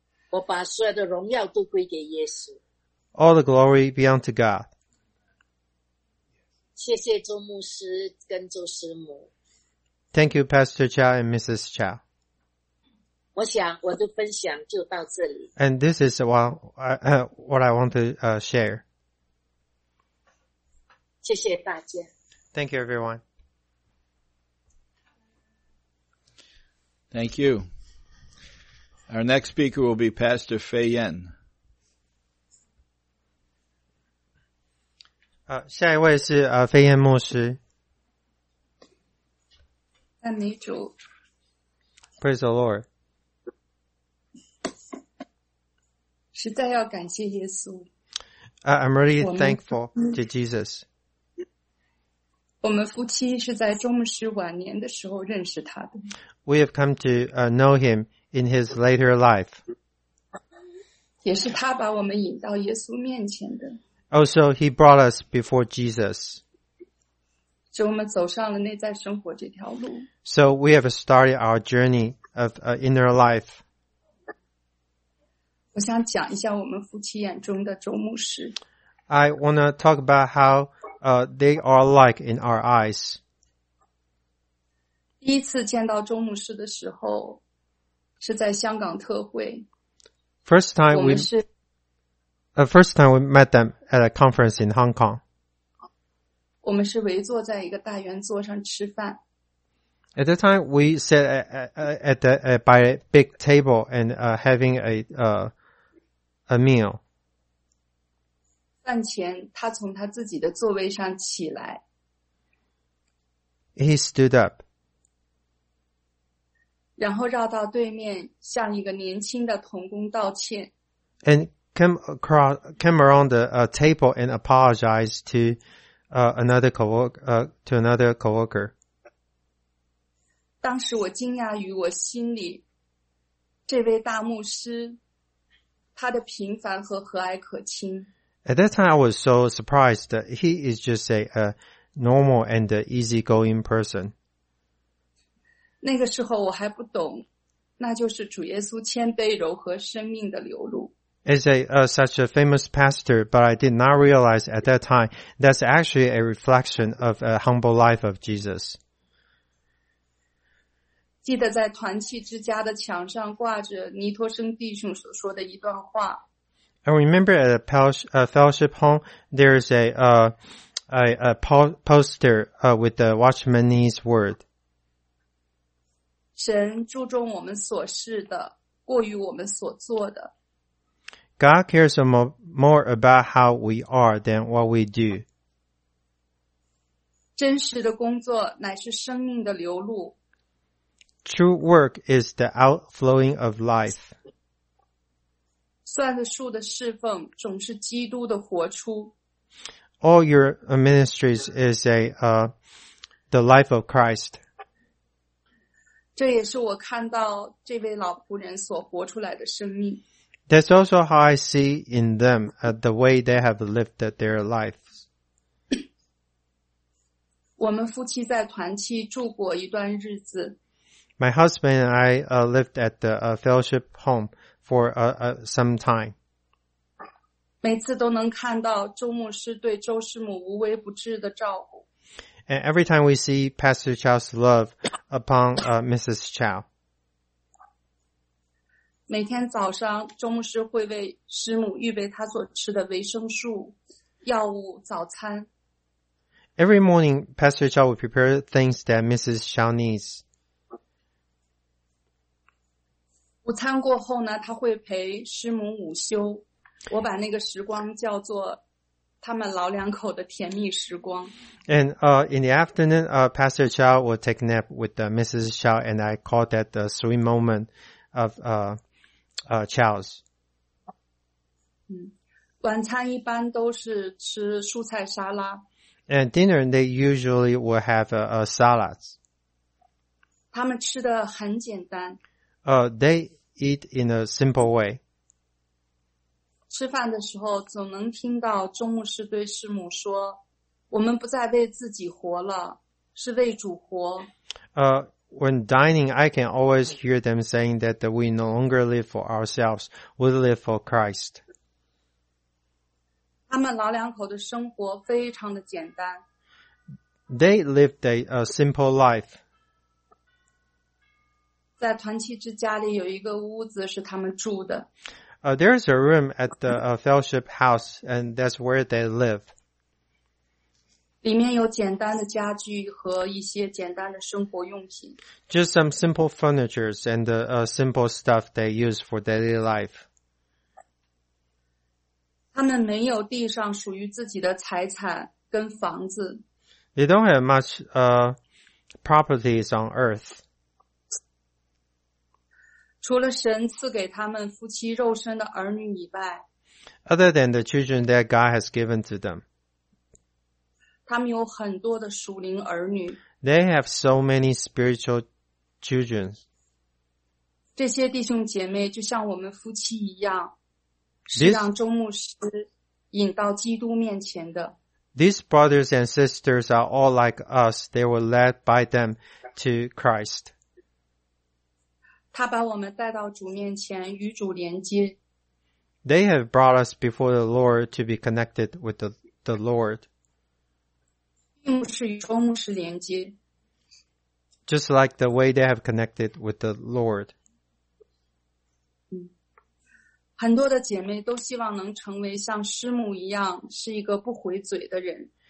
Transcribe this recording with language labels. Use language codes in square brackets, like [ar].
[zh] 我把所有的荣耀都归给耶稣。 [en] All the glory be unto God. [zh] 谢谢周牧师跟周师母。 [en] Thank you, Pastor Chow and Mrs. Chow. [zh] 我想我的分享就到这里。 [en] And this is what I want to share. [zh] 谢谢大家。 [en] Thank you, everyone. Thank you. Our next speaker will be Pastor Fei Yen. [zh] 下一位是Fei Yen牧师。赞美主。 [en] Praise the Lord. [zh] 实在要感谢耶稣。 [en] I'm really thankful to Jesus. [zh] 我们夫妻是在周牧师晚年的时候认识他的。 [en] We have come to know him. In his later life. [zh] 也是他把我们引到耶稣面前的。 [en] Also, he brought us before Jesus. [zh] 就我们走上了内在生活这条路。 [en] So we have started our journey of inner life. [zh] 我想讲一下我们夫妻眼中的周牧师。 [en] I want to talk about how they are like in our eyes. [zh] 第一次见到周牧师的时候是在香港特会。 [en] First time we met them at a conference in Hong Kong. [zh] 我们是围坐在一个大圆桌上吃饭。 [en] At that time, we sat by a big table and having a meal. [zh] 饭前，他从他自己的座位上起来。 [en] He stood up. [zh] 然后绕到对面，向一个年轻的同工道歉。 [en] And came around the table and apologized to another coworker. [zh] 当时我惊讶于我心里这位大牧师他的平凡和和蔼可亲。 [en] At that time, I was so surprised that he is just a normal and easygoing person. [zh] 那个时候我还不懂，那就是主耶稣谦卑柔和生命的流露。 [en] Is such a famous pastor, but I did not realize at that time that's actually a reflection of a humble life of Jesus. [zh] 记得在团契之家的墙上挂着尼托生弟兄所说的一段话。 [en] I remember at a fellowship home, there is a poster with the Watchman Nee's word. [zh] 神注重我们所事的，过于我们所做的。 [en] God cares more about how we are than what we do. [zh] 真实的工作乃是生命的流露。 [en] True work is the outflowing of life. [zh] 算的数的侍奉总是基督的活出。 [en] All your ministries is the life of Christ. [zh] 这也是我看到这位老仆人所活出来的生命。 [en] That's also how I see in them, the way they have lived their lives. [zh] 我们夫妻在团契住过一段日子。 [en] My husband and I lived at the fellowship home for some time. [zh] 每次都能看到周牧师对周师母无微不至的照顾。 [en] And every time we see Pastor Chow's love upon Mrs. Chow. [zh] 每天早上周牧师会为师母预备他所吃的维生素药物早餐。 [en] Every morning, Pastor Chow will prepare things that Mrs. Chow needs. [zh] 午餐过后呢，他会陪师母午休。我把那个时光叫做他们老两口的甜蜜时光。 [en] And in the afternoon, Pastor Chow will take a nap with Mrs. Chow, and I call that the sweet moment of Charles. [zh] 晚餐一般都是吃蔬菜沙拉。 [en] And dinner, they usually will have a salad. [zh] 他们吃的很简单。 [en] They eat in a simple way. [zh] 吃饭的时候总能听到周牧师对师母说，我们不再为自己活了，是为主活。 [en] When dining, I can always hear them saying that we no longer live for ourselves, we live for Christ. [zh] 他们老两口的生活非常的简单。 [en] They lived a simple life. [zh] 在团契之家里有一个屋子是他们住的。 [en] There is a room at the fellowship house, and that's where they live. [zh] 里面有简单的家具和一些简单的生活用品。 [en] Just some simple furnitures and simple stuff they use for daily life. [zh] 他们没有地上属于自己的财产跟房子。 [en] They don't have much properties on earth. [zh] 除了神赐给他们夫妻肉身的儿女以外。 [en] Other than the children that God has given to them. [zh] 他们有很多的属灵儿女。 [en] They have so many spiritual children. [zh] 这些弟兄姐妹就像我们夫妻一样，是让周牧师引到基督面前的。 [en] These brothers and sisters are all like us. They were led by them to Christ. [zh] 他把我们带到主面前与主连接。 [en] They have brought us before the Lord to be connected with the Lord. [zh] 并不是与周牧师连接。 [en] Just like the way they have connected with the Lord. [zh] 很多的姐妹都希望能成为像师母一样是一个不回嘴的人。